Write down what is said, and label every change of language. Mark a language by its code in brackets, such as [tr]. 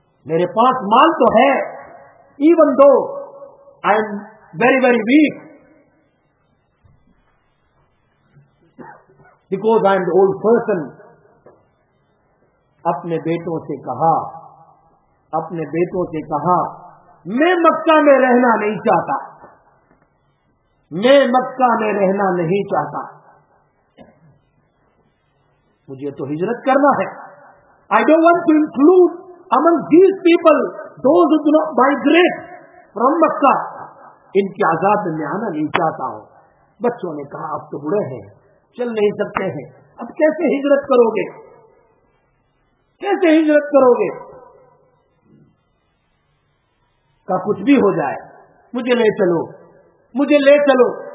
[ur] میرے پاس مال تو ہے, [en] even though I am very very weak because I am the old person, [ur] اپنے بیٹوں سے کہا, اپنے بیٹوں سے کہا میں مکہ میں رہنا نہیں چاہتا, میں مکہ میں رہنا نہیں چاہتا, مجھے تو ہجرت کرنا ہے. [en] I don't want to include among these people, those who do not migrate from Makkah. [ur] ان کے عذاب میں آنا نہیں چاہتا ہوں. بچوں نے کہا آپ تو بڑے ہیں, چل نہیں سکتے ہیں, اب کیسے ہجرت کرو گے, کیسے ہجرت کرو گے, کا کچھ بھی ہو جائے مجھے لے چلو, مجھے لے چلو.